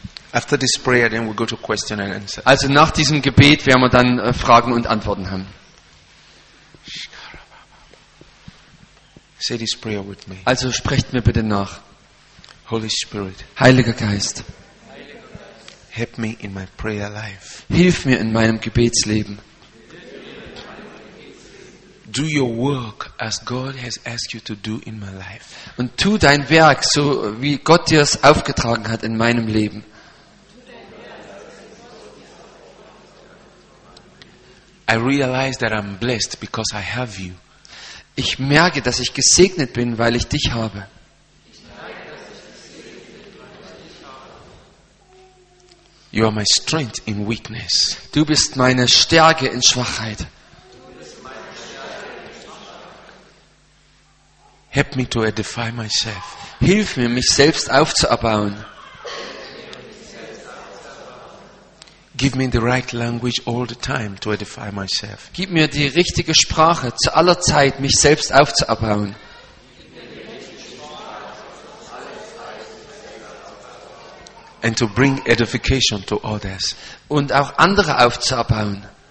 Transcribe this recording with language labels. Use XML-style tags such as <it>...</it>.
<en>After this prayer, then we'll go to question and answer.</en> <de>Also nach diesem Gebet werden wir dann Fragen und Antworten haben.</de> <en>Say this prayer with me.</en> <de>Also sprecht mir bitte nach.</de> <en>Holy Spirit.</en> <de>Heiliger Geist.</de> <en>Help me in my prayer life.</en> <de>Hilf mir in meinem Gebetsleben.</de> <en>Do your work as God has asked you to do in my life.</en> <de>Und tu dein Werk so wie Gott dir es aufgetragen hat in meinem Leben.</de> <en>I realize that I'm blessed because I have you.</en> <de>Ich merke, dass ich gesegnet bin, weil ich dich habe.</de> <en>You are my strength in weakness.</en> <de>Du bist meine Stärke in Schwachheit.</de> <en>Help me to edify myself.</en> <de>Hilf mir, mich selbst aufzubauen.</de> <en>Give me the right language all the time to edify myself.</en> <de>Gib mir die richtige Sprache zu aller Zeit, mich selbst aufzubauen.</de> <en>And to bring edification to others.</en> <de>Und auch andere aufzubauen.</de>